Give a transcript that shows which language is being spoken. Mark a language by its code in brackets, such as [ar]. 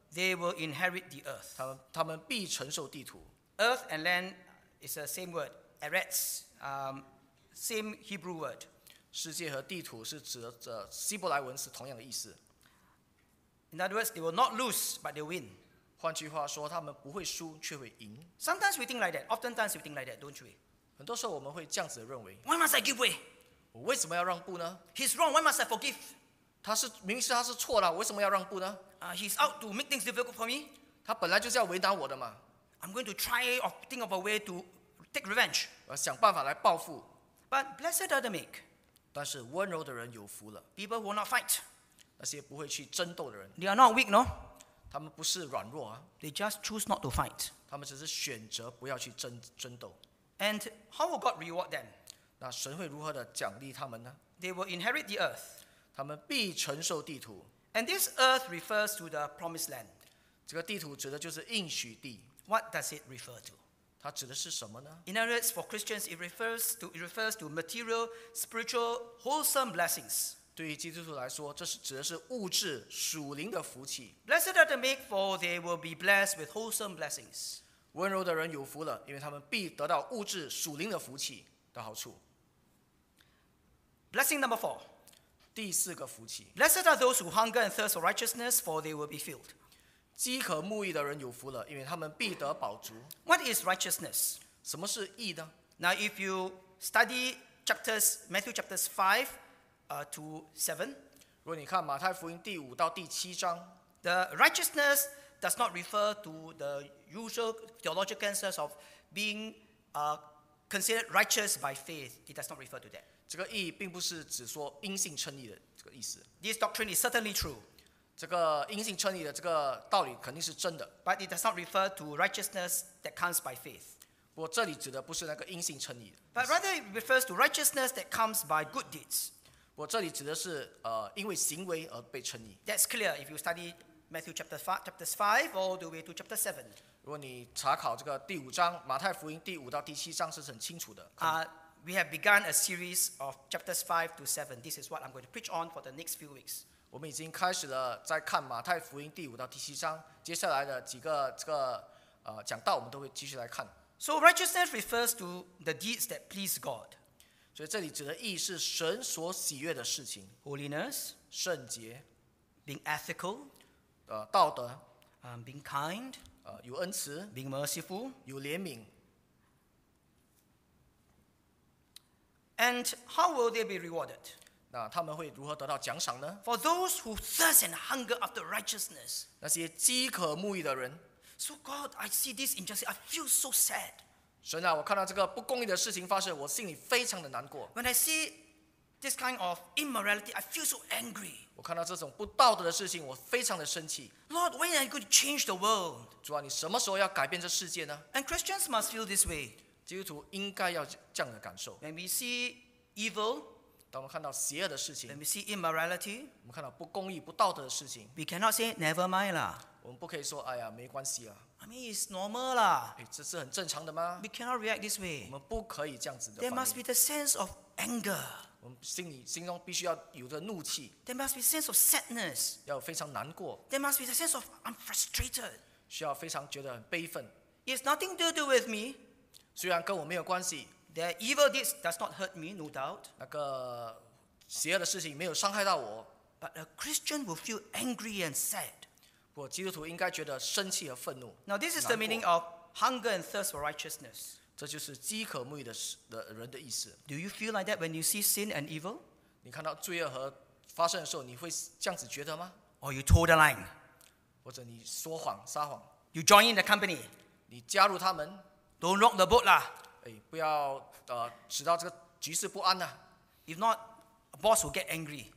[en] They will inherit the earth. [zh] 他们必承受地土。 [en] Earth and land is the same word, eretz, same Hebrew word. [zh] 世界和地土是指的希伯来文是同样的意思。 [en] In other words, they will not lose, but they win. [zh] 换句话说，他们不会输，却会赢。 [en] Sometimes we think like that. Oftentimes we think like that, don't we? [zh] 很多时候我们会这样子认为。 [en] Why must I give way? [zh] 我为什么要让步呢 [en] ？He's wrong. Why must I forgive? [zh] 他是错了，为什么要让步呢？ [en] He's out to make things difficult for me. [zh] 他本来就是要为难我的嘛。 [en] I'm going to try or think of a way to take revenge. [zh] 我想办法来报复。 [en] But blessed are the meek. [zh] 但是温柔的人有福了。 [en] People who will not fight. [zh] 那些不会去争斗的人。 [en] They are not weak, no. [zh] 他们不是软弱啊。 [en] They just choose not to fight. [zh] 他们只是选择不要去争斗。 [en] And how will God reward them? [zh] 那神会如何的奖励他们呢 [en] ？They will inherit the earth. [zh] 他们必承受地土。 [en] And this earth refers to the promised land. [zh] 这个地图指的就是应许地。 [en] What does it refer to? [zh] 它指的是什么呢 [en] ？In other words, for Christians, it refers to material, spiritual, wholesome blessings. [zh] 对于基督徒来说，这是指的是物质属灵的福气。 [en] Blessed are the meek, for they will be blessed with wholesome blessings. [zh] 温柔的人有福了，因为他们必得到物质属灵的福气的好处。 [en] Blessing number four. [zh] 第四个福气。 [en] Blessed are those who hunger and thirst for righteousness, for they will be filled. [zh] 饥渴慕义的人有福了，因为他们必得饱足。 [en] What is righteousness? [zh] 什么是义呢 [en] ？Now, if you study chapters Matthew chapters 5, to 7, [zh] 如果你看马太福音第五到第七章 [en] ，the righteousness does not refer to the usual theological answers of being, considered righteous by faith. It does not refer to that. [zh] 这个义并不是指说因信称义的这个意思。 [en] This doctrine is certainly true. [zh] 这个因信称义的这个道理肯定是真的。 [en] But it does not refer to righteousness that comes by faith. [zh] 不过这里指的不是那个因信称义的。 [en] But rather it refers to righteousness that comes by good deeds. [zh] 不过这里指的是因为行为而被称义。 [en] That's clear if you study Matthew chapter 5 all the way to chapter 7. [zh] 如果你查考这个第五章，马太福音第五到第七章是很清楚的。 [en] We have begun a series of chapters 5 to 7. This is what I'm going to preach on for the next few weeks. [zh] 我们已经开始了在看马太福音第五到第七章，接下来的几个这个讲道我们都会继续来看。 [en] So righteousness refers to the deeds that please God. [zh] 所以这里指的义是神所喜悦的事情。 [en] Holiness, [zh] 圣洁。 [en] Being ethical, [zh] 道德。 [en] Being kind, [zh] 有恩慈。 [en] Being merciful, [zh] 有怜悯。 [en] And how will they be rewarded? [zh] 那他们会如何得到奖赏呢 [en] ？For those who thirst and hunger after righteousness. [zh] 那些饥渴慕义的人。 [en] So God, I see this injustice. I feel so sad. [zh] 神啊，我看到这个不公义的事情发生，我心里非常的难过。 [en] When I see this kind of immorality, I feel so angry. [zh] 我看到这种不道德的事情，我非常的生气。 [en] Lord, when are you going to change the world? [zh] 主啊，你什么时候要改变这世界呢 [en] ？And Christians must feel this way. [zh] 基督徒应该要这样的感受。 [en] When we see evil, [zh] 当我们看到邪恶的事情。 [en] When we see immorality, [zh] 我们看到不公义、不道德的事情。 [en] We cannot say never mind 啦。 [zh] 我们不可以说哎呀，没关系啊。 [en] I mean, it's normal lah. [zh] 这是很正常的吗? [en] We cannot react this way. [zh] 我们不可以这样子的反应。 [en] There must be the sense of anger. [zh] 我们心里心中必须要有的怒气。 [en] There must be a sense of sadness. [zh] 要非常难过。 [en] There must be the sense of I'm frustrated. [zh] 需要非常觉得很悲愤。 [en] It's nothing to do with me. [zh] 虽然跟我没有关系。 [en] The evil deeds does not hurt me, no doubt. [zh] 那个邪恶的事情没有伤害到我。 [en] But a Christian will feel angry and sad. [zh] 不过基督徒应该觉得生气和愤怒。 [en] Now this is the meaning of hunger and thirst for righteousness. [zh] 这就是饥渴慕义的人的意思。 [en] Do you feel like that when you see sin and evil? [zh] 你看到罪恶和发生的时候, 你会这样子觉得吗? [en] Or you toe the line. [zh] 或者你说谎撒谎。 [en] You join in the company. [zh] 你加入他们。 [en] Don't rock the boat 啦。 [zh] 不要使到这个局势不安啊。 [en] If not, a boss will get angry.